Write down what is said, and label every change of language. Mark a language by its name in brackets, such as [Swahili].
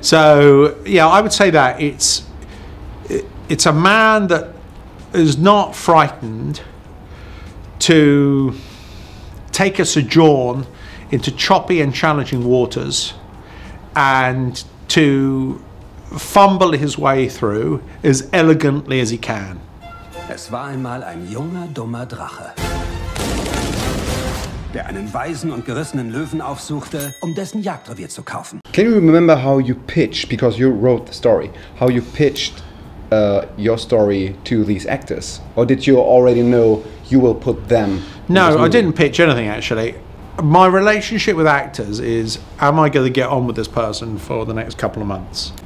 [English] So yeah, I would say that it's a man that is not frightened to take a sojourn into choppy and challenging waters and to fumble his way through as elegantly as he can. [German] Es war einmal ein junger, dummer Drache, der einen weisen und gerissenen Löwen aufsuchte, um dessen Jagdrevier zu kaufen. [English] Can you remember how you pitched, because you wrote the story, how you pitched your story to these actors, or did you already know you will put them? No, I didn't pitch anything actually. My relationship with actors is, am I going to get on with this person for the next couple of months?